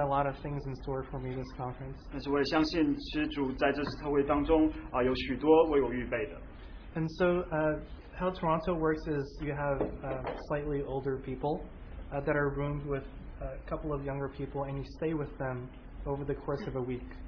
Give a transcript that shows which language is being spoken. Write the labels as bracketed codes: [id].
[en] a lot of things in store for me this conference. [zh] 但是我也相信，其实主在这次特会当中啊，有许多为我预备的。 [en] And so, how Toronto works is you have slightly older people that are roomed with a couple of younger people, and you stay with them over the course of a week.